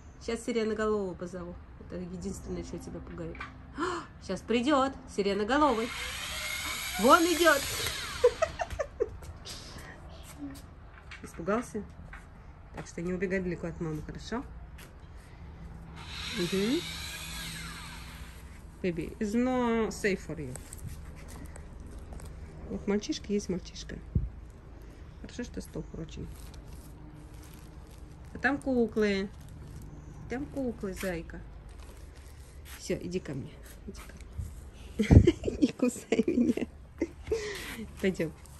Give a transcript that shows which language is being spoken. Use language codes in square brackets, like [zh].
[ru] Сейчас сиреноголового позову. Это единственное, что тебя пугает. Сейчас придет сиреноголовый. Вон идет. Испугался. Так что не убегай далеко от мамы, хорошо? Угу. [en] Baby, it's not safe for you. [ru] Вот мальчишка есть мальчишка. Хорошо, что стол прочный. А там куклы. Там куклы, зайка. Все, иди ко мне. Иди ко мне. Не кусай меня. Пойдем.